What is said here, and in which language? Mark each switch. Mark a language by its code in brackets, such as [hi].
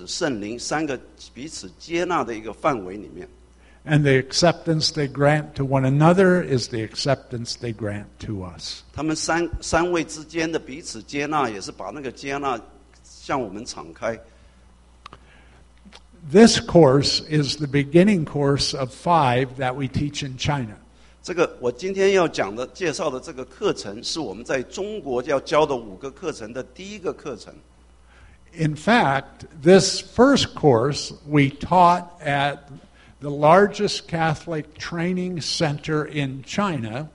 [zh] 我们就进入了一个圣父、圣子、圣灵三个彼此接纳的一个范围里面。 [en] And the acceptance they grant to one another is the acceptance they grant to us. [zh] 他们三位之间的彼此接纳，也是把那个接纳向我们敞开。 [en] This course is the beginning course of 5 that we teach in China. [zh] 这个我今天要讲的介绍的这个课程，是我们在中国要教的5个课程的第一个课程。 [en] In fact, this first course we taught at the largest Catholic training center in China.